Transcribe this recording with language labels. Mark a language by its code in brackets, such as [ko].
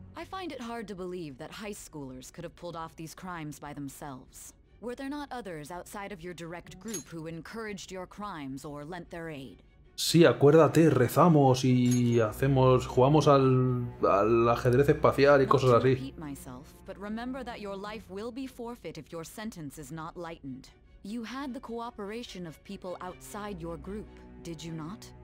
[en] I find it hard to believe that high schoolers could have pulled off these crimes by themselves. Were there not others outside of your direct group who encouraged your crimes or lent their aid? [es] Sí, acuérdate, rezamos y hacemos, jugamos al ajedrez espacial y cosas así. [en] Repeat myself, but remember that your life will be forfeit if your sentence is not lightened. You had the cooperation of people outside your group, did you not?